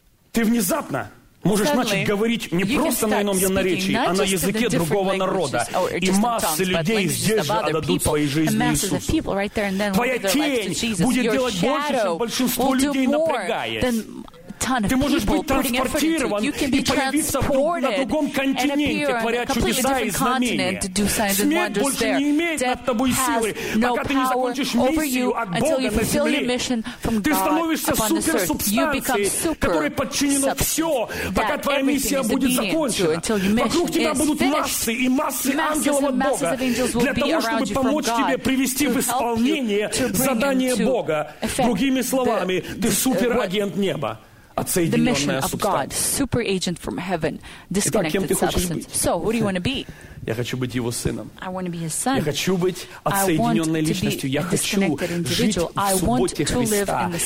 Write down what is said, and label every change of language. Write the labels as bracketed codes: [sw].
[ru] Ты внезапно можешь [en] suddenly [ru] начать говорить не просто на ином наречии, а на языке другого народа. И массы людей здесь же отдадут своей жизни Иисусу. [en] Right there, [ru] твоя тень будет делать больше, чем большинство людей напрягает. [en] ton of people putting effort into it. You can be transported and appear on a completely different continent to do signs and wonders there. Death has no power over you until you fulfill your mission from God upon this earth. You become super substance that everything is obedient to until your mission is finished. Masses and masses of angels will be around you from God to help you to bring into effect. [ru] Другими словами, ты суперагент неба от Соединенной Субстанции. Итак, кем ты хочешь быть? Я хочу быть его сыном. Я хочу быть отсоединенной личностью. Я хочу жить в субботе Христа.